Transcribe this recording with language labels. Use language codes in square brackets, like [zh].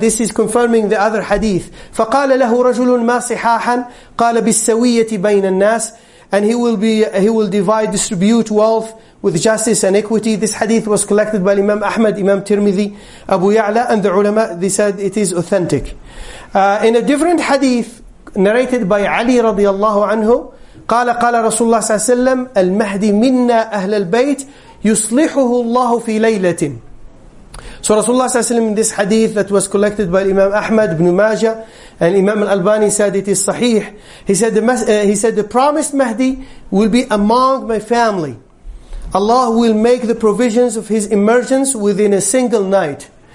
[en] This is confirming the other hadith. [ar] فَقَالَ لَهُ رَجُلٌ مَا صِحَاحًا قَالَ بِالسَّوِيَّةِ بَيْنَ النَّاسِ. [en] And he will divide, distribute wealth with justice and equity. This hadith was collected by Imam Ahmad, Imam Tirmidhi, Abu Ya'la, and the ulama, they said it is authentic. In a different hadith narrated by Ali radiallahu anhu, [ar] قَالَ رَسُولُ اللَّهِ صَلَّى اللَّهُ عَلَيْهِ وَسَلَّمَ الْمَهْدِ مِنَّا أَهْلَ الْبَيْتِ يُصْلِحُهُ اللَّهُ فِي لَيْلَةٍ. [en] So Rasulullah sallallahu alayhi wa sallam, in this hadith that was collected by Imam Ahmad ibn Majah, and Imam al-Albani said it is sahih, he said the promised Mahdi will be among my family. Allah will make the provisions of his emergence within a single night.